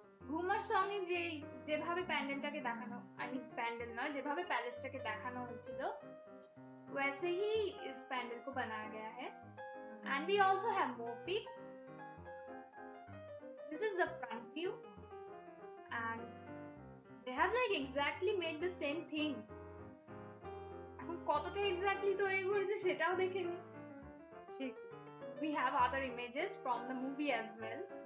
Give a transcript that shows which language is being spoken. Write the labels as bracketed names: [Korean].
[Bangla] ঘুমার song এ যেভাবে প্যান্ডেলটাকে দেখানো, [English] I mean [Bangla] pandal নয়, যেভাবে প্যালেসটাকে দেখানো হয়েছিল [Hindi] वैसे ही इस पैंडल को बनाया गया है. [English] And we also have more pics. This is the front view and they have like exactly made the same thing. [Bangla] এখন কতটা এক্স্যাক্টলি তৈরি করেছে সেটাও দেখেনি. ঠিক, [English] We have other images from the movie as well.